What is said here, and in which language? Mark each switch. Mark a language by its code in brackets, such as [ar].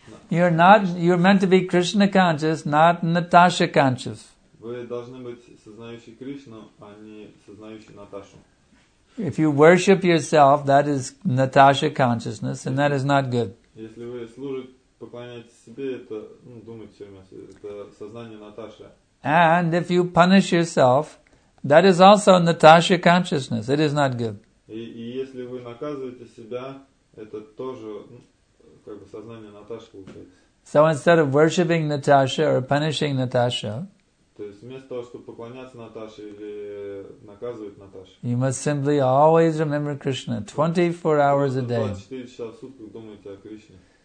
[en] You're meant to be Krishna conscious, not Natasha conscious. [ru] Вы должны быть сознающий Кришну, а не сознающий Наташу. [en] If you worship yourself, that is Natasha consciousness, and that is not good. [ru] Если вы служите, поклоняетесь себе, это, думайте все время, это сознание Наташи. [en] And if you punish yourself, that is also Natasha consciousness. It is not good. [ru] И если вы наказываете себя, это тоже сознание Наташи получается. [en] So instead of worshiping Natasha or punishing Natasha, [ru] то есть вместо того, чтобы поклоняться Наташе или наказывать Наташу, [en] you must simply always remember Krishna 24 hours a day. [ru] 24 часа в сутки думайте о Кришне.